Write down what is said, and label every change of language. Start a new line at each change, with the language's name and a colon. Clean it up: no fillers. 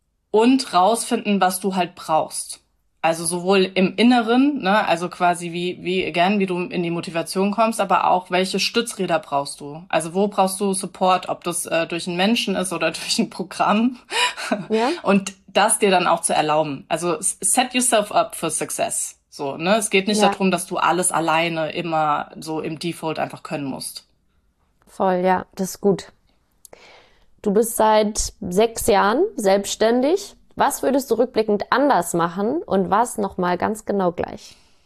German: Und rausfinden, was du halt brauchst. Also sowohl im Inneren, ne, also quasi wie du in die Motivation kommst, aber auch welche Stützräder brauchst du? Also wo brauchst du Support, ob das durch einen Menschen ist oder durch ein Programm? Ja. Und das dir dann auch zu erlauben.
English: Also set yourself up for success.
German: So, ne? Es geht nicht Ja. darum, dass du alles alleine immer so im Default einfach können musst. Voll, ja, das ist gut. Du bist seit 6 Jahren selbstständig. Was würdest du rückblickend anders machen und was nochmal ganz genau gleich?